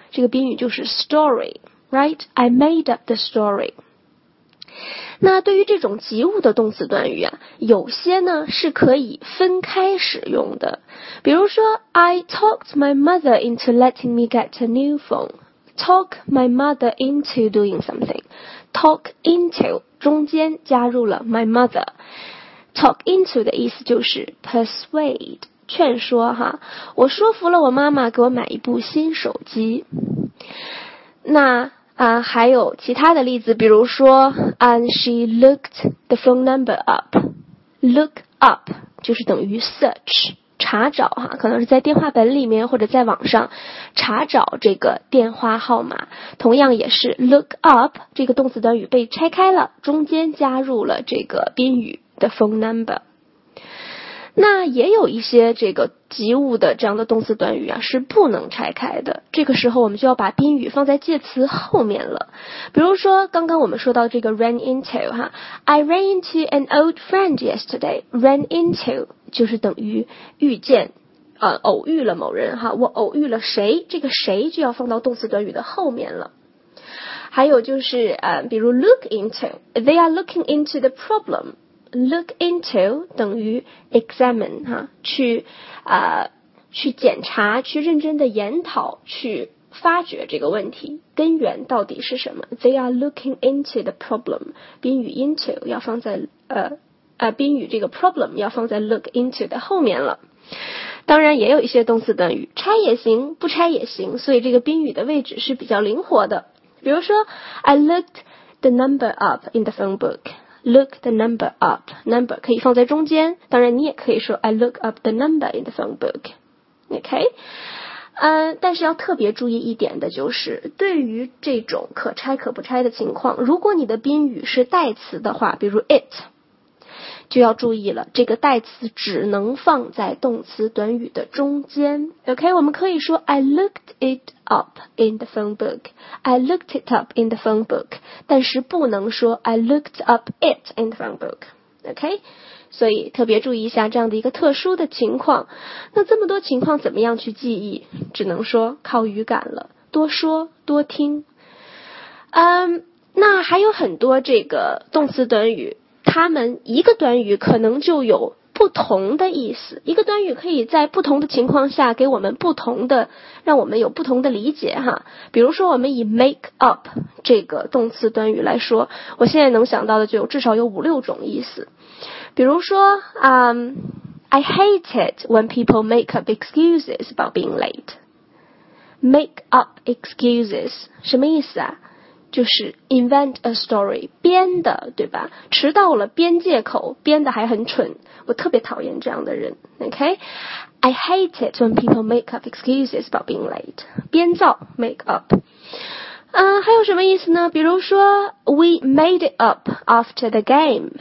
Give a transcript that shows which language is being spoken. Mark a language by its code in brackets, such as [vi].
[zh] 这个宾语就是 [en] story, right? I made up the story. [zh] 那对于这种及物的动词短语啊，有些呢是可以分开使用的，比如说 [en] I talked my mother into letting me get a new phone. Talk my mother into doing something. Talk into [zh] 中间加入了 [en] my mother. [zh] Talk into 的意思就是 persuade, 劝说哈。我说服了我妈妈给我买一部新手机。那还有其他的例子，比如说 [en] and she looked the phone number up. [zh] Look up 就是等于 search, 查找哈，可能是在电话本里面或者在网上查找这个电话号码。同样也是 look up, 这个动词短语被拆开了，中间加入了这个宾语。 [en] The phone number. [zh] 那也有一些这个及物的这样的动词短语啊是不能拆开的，这个时候我们就要把宾语放在介词后面了。比如说刚刚我们说到这个 ran into 哈， [en] I ran into an old friend yesterday. [zh] Ran into 就是等于遇见，偶遇了某人哈，我偶遇了谁，这个谁就要放到动词短语的后面了。还有就是比如 [en] look into, they are looking into the problem. [zh] Look into 等于 examine, 哈，去检查，去认真的研讨，去发掘这个问题，根源到底是什么。 [en] They are looking into the problem. [zh] 宾语 into 要放在宾语这个 problem 要放在 look into 的后面了。当然也有一些动词短语，拆也行，不拆也行，所以这个宾语的位置是比较灵活的。比如说 [en] I looked the number up in the phone book. Look the number up. Number [zh] 可以放在中间，当然你也可以说 [en] I look up the number in the phone book. OK? [zh] 但是要特别注意一点的就是，对于这种可拆可不拆的情况，如果你的宾语是代词的话，比如 it, 就要注意了，这个代词只能放在动词短语的中间。 [en] OK? [zh] 我们可以说 [en] I looked it up in the phone book. I looked it up in the phone book. [zh] 但是不能说 [en] I looked up it in the phone book. OK? [zh] 所以特别注意一下这样的一个特殊的情况。那这么多情况怎么样去记忆？只能说靠语感了。多说，多听。那还有很多这个动词短语，他们一个短语可能就有不同的意思，一个短语可以在不同的情况下给我们不同的，让我们有不同的理解哈。比如说我们以 make up 这个动词短语来说，我现在能想到的就有至少有五六种意思。比如说 [en] I hate it when people make up excuses about being late. Make up excuses [zh] 什么意思啊？就是 [en] invent a story, [zh] 编的，对吧？迟到了编借口，编的还很蠢，我特别讨厌这样的人。 [en] OK? I hate it when people make up excuses about being late. [zh] 编造 [en] make up. [zh] 还有什么意思呢？比如说 [en] we made it up after the game.